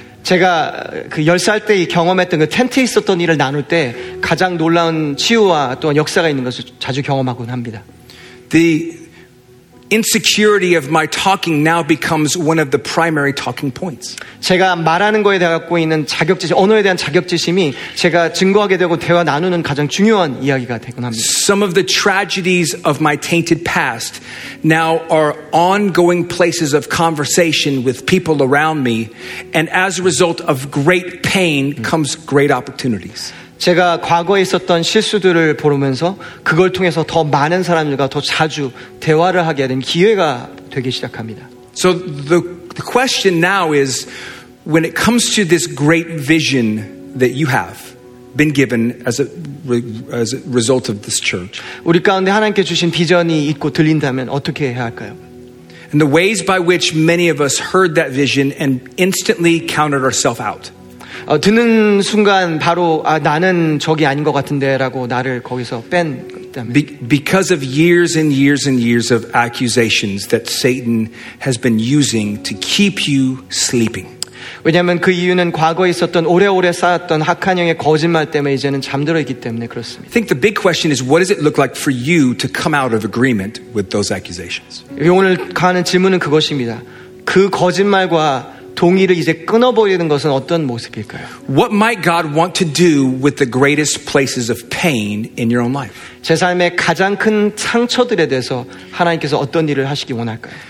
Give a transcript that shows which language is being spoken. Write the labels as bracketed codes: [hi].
[ko] 제가 그 10살 때 경험했던 그 텐트에 있었던 일을 나눌 때 가장 놀라운 치유와 또한 역사가 있는 것을 자주 경험하곤 합니다. [en] The insecurity of my talking now becomes one of the primary talking points. [ko] 제가 말하는 거에 갖고 있는 자격지심, 언어에 대한 자격지심이 제가 증거하게 되고 대화 나누는 가장 중요한 이야기가 되곤 합니다. [en] Some of the tragedies of my tainted past now are ongoing places of conversation with people around me, and as a result of great pain comes great opportunities. [ko] 제가 과거에 있었던 실수들을 보면서 그걸 통해서 더 많은 사람들과 더 자주 대화를 하게 되는 기회가 되기 시작합니다. [en] So the question now is, when it comes to this great vision that you have been given as a result of this church, [ko] 우리 가운데 하나님께 주신 비전이 있고 들린다면 어떻게 해야 할까요? [en] And the ways by which many of us heard that vision and instantly counted ourselves out. [ko] 듣는 순간 바로 나는 저기 아닌 것 같은데라고 나를 거기서 뺀 때문에. [en] Because of years and years and years of accusations that Satan has been using to keep you sleeping. [ko] 왜냐하면 그 이유는 과거에 있었던 오래오래 쌓았던 악한 영의 거짓말 때문에 이제는 잠들어 있기 때문에 그렇습니다. [en] I think the big question is, what does it look like for you to come out of agreement with those accusations? [ko] 오늘 가는 질문은 그것입니다. 그 거짓말과 동의를 이제 끊어버리는 것은 어떤 모습일까요? [en] What might God want to do with the greatest places of pain in your own life? [ko] 제 삶의 가장 큰 상처들에 대해서 하나님께서 어떤 일을 하시기 원할까요?